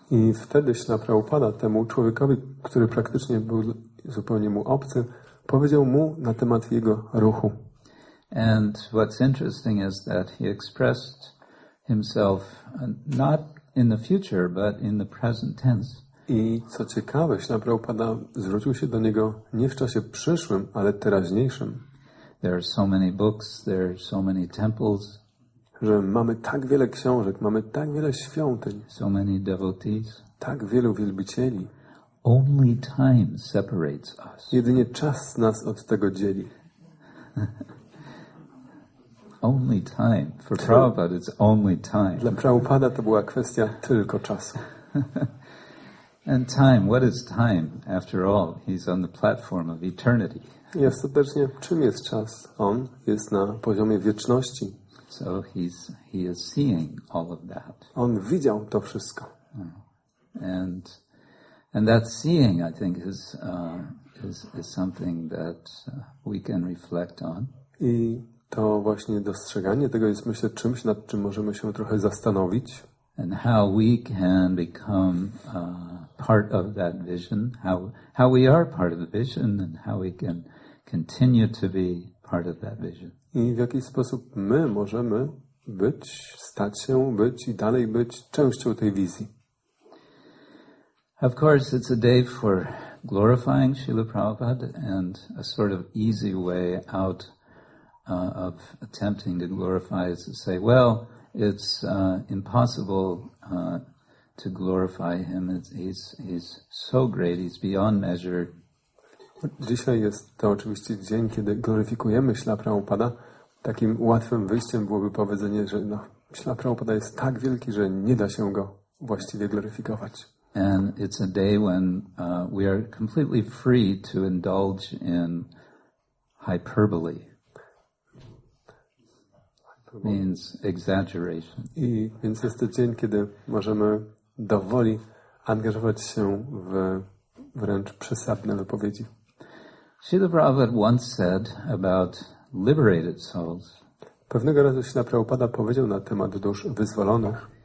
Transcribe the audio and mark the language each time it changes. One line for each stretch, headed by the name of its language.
Polish: I wtedy Śla Prabhupada temu człowiekowi, który praktycznie był zupełnie mu obcy, powiedział mu na temat jego ruchu.
English: And what's interesting is that he expressed himself not in the future, but in the present tense.
Polish: I co ciekawe, Śla Prabhupada zwrócił się do niego nie w czasie przyszłym, ale teraźniejszym.
English: There are so many books, there are so many temples.
Polish: Że mamy tak wiele książek, mamy tak wiele świątyń,
English: so many devotees,
Polish: tak wielu wielbicieli.
English: Only time separates us.
Polish: Jedynie czas nas od tego dzieli.
English: Only time. For Prabhupada it's only time.
Polish: Dla Prabhupada to była kwestia tylko czasu.
English: And time, what is time? After all, he's on the platform of eternity.
Polish: Ja serdecznie, czym jest czas? On jest na poziomie wieczności.
English: So he is seeing all of that.
Polish: On widział to wszystko.
English: And that seeing, I think, is something that we can reflect on.
Polish: I to właśnie dostrzeganie tego jest, myślę, czymś, nad czym możemy się trochę zastanowić.
English: And how we can become part of that vision, how we are part of the vision, and how we can continue to be part of that vision.
Polish: I w jaki sposób my możemy być, stać się, być i dalej być częścią tej wizji.
English: Of course, it's a day for glorifying Śrīla Prabhupāda and a sort of easy way out of attempting to glorify is to say, well, it's impossible to glorify him. He's so great. He's beyond measure.
Polish: Dzisiaj jest to oczywiście dzień, kiedy gloryfikujemy Śrīla Prabhupāda. Takim łatwym wyjściem byłoby powiedzenie, że no, Śrīla Prabhupāda jest tak wielki, że nie da się go właściwie gloryfikować.
English: And it's a day when we are completely free to indulge in hyperbole. Means exaggeration.
Polish: I więc jest to dzień, kiedy możemy dowoli angażować się w wręcz przesadne wypowiedzi.
English: Śrīla Prabhupāda once said about liberated souls.
Polish: Pewnego razu Śrīla Prabhupāda powiedział na temat dusz wyzwolonych.